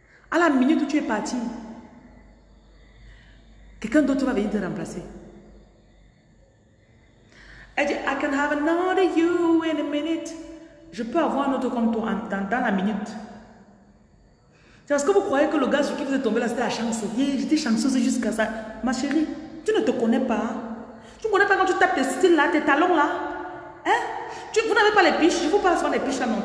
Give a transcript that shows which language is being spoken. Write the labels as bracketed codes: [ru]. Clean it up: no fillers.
[fr] À la minute où tu es parti, quelqu'un d'autre va venir te remplacer. [en] Elle dit, I can have another you in a minute. [fr] Je peux avoir un autre comme toi dans la minute. C'est parce que vous croyez que le gars sur qui vous êtes tombé là, c'était la chance. J'étais chanceuse jusqu'à ça. Ma chérie, tu ne te connais pas. Tu ne connais pas quand tu tapes tes styles là, tes talons là. Hein? Vous n'avez pas les piches. Je ne vous parle pas des piches là non.